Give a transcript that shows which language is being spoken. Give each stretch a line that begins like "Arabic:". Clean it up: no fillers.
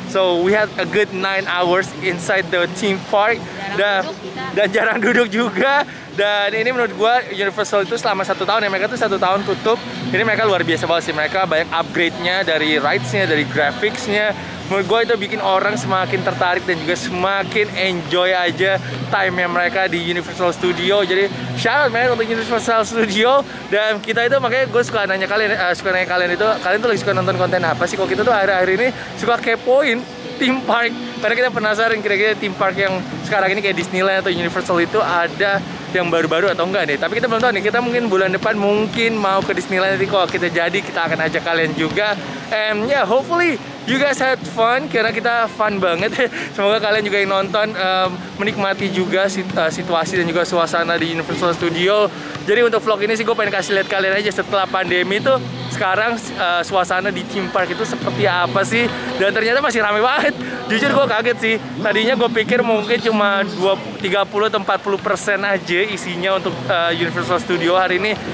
English: So we had a good 9 hours inside the theme park.
Indonesian: Dan jarang duduk juga. Dan ini menurut gua Universal itu selama 1 tahun ya, mereka tuh 1 tahun tutup. Ini mereka luar biasa banget sih, mereka banyak upgrade-nya dari rides-nya, dari graphics-nya. Menurut gua itu bikin orang semakin tertarik dan juga semakin enjoy aja time-nya mereka di Universal Studio. Jadi shout out man untuk Universal Studio. Dan kita itu makanya gua suka nanya kalian itu, kalian tuh lagi suka nonton konten apa sih? Kok kita tuh akhir-akhir ini suka kepoin theme park, karena kita penasaran kira-kira theme park yang sekarang ini kayak Disneyland atau Universal itu ada yang baru-baru atau enggak nih. Tapi kita belum tahu nih, kita mungkin bulan depan mungkin mau ke Disneyland. Nanti kalau kita jadi, kita akan ajak kalian juga.
English: And yeah, hopefully you guys had fun,
Indonesian: karena kita fun banget. Semoga kalian juga yang nonton menikmati juga situasi dan juga suasana di Universal Studio. Jadi untuk vlog ini sih gue pengen kasih lihat kalian aja setelah pandemi tuh sekarang suasana di theme park itu seperti apa sih. Dan ternyata masih ramai banget. Jujur gue kaget sih, tadinya gue pikir mungkin cuma 30-40% aja isinya untuk Universal Studio hari ini.